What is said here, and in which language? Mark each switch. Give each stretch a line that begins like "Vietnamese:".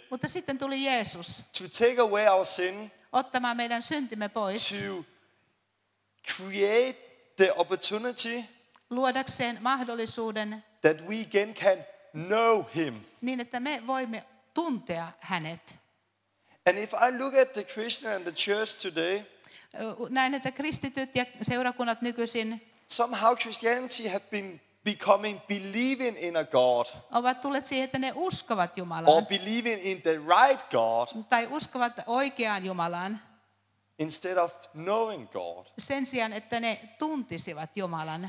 Finnish: Mutta sitten tuli Jeesus.
English: To take away our sin.
Finnish: Ottamaan meidän syntimme pois.
English: To create the opportunity.
Finnish: Luodakseen mahdollisuuden.
English: That we again can know him.
Finnish: Niin että me voimme tuntea hänet.
English: And if I look at the Christian and the church today.
Finnish: Näin että kristityt ja seurakunnat nykyisin.
English: Somehow Christianity have been becoming believing in a God.
Finnish: Ovat tulleet siihen, että ne uskovat Jumalaan.
English: Or believing in the right God.
Finnish: Tai uskovat oikeaan Jumalaan.
English: Instead of knowing God.
Finnish: Sen sijaan, että ne tuntisivat Jumalan.